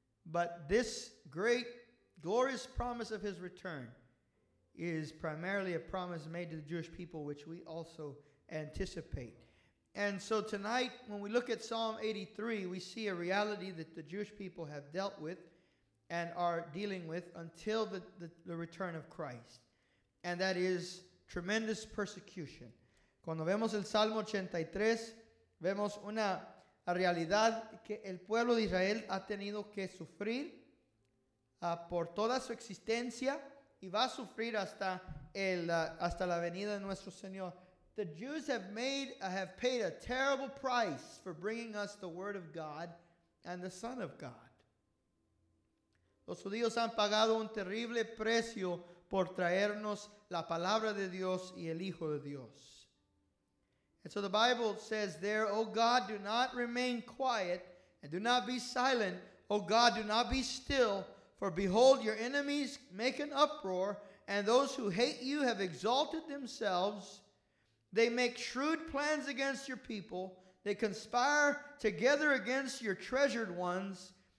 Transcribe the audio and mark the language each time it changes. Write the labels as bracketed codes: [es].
[en] But this great, glorious promise of his return is primarily a promise made to the Jewish people, which we also anticipate. And so tonight, when we look at Psalm 83, we see a reality that the Jewish people have dealt with and are dealing with until the return of Christ. And that is tremendous persecution. [es] Cuando vemos el Salmo 83, vemos una realidad que el pueblo de Israel ha tenido que sufrir por toda su existencia y va a sufrir hasta la venida de nuestro Señor. [en] The Jews have paid a terrible price for bringing us the Word of God and the Son of God. [es] Los judíos han pagado un terrible precio por traernos la palabra de Dios y el Hijo de Dios. [en] And so the Bible says there, O God, do not remain quiet and do not be silent. O God, do not be still. For behold, your enemies make an uproar, and those who hate you have exalted themselves. They make shrewd plans against your people. They conspire together against your treasured ones.